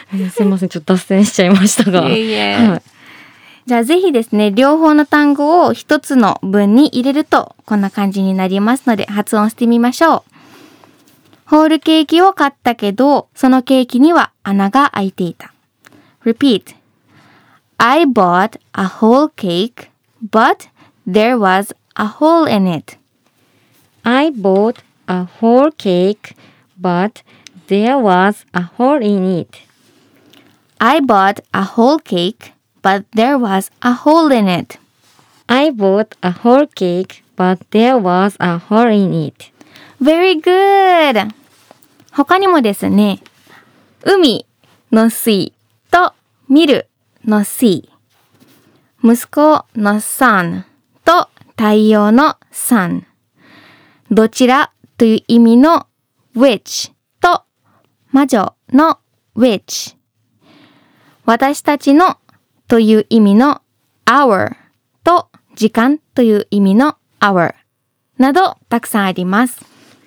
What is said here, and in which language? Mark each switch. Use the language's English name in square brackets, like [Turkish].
[Japanese] すいません、ちょっと脱線しちゃいましたが。いえいえ、はい、じゃあぜひですね、両方の単語を一つの文に入れるとこんな感じになりますので発音してみましょう。ホールケーキを買ったけど、そのケーキには穴が開いていた。 [English] Repeat. I bought a whole cake, but there was a hole in it. I bought a whole cake, but there was a hole in it. I bought a whole cake, but there was a hole in it. I bought a whole cake, but there was a hole in it. Very good! [Japanese] 他にもですね、海の水と見るの sea、 息子の sun と太陽の sun、 どちらという意味の which と魔女の which、 私たちのという意味の hour と時間という意味の hour などたくさんあります。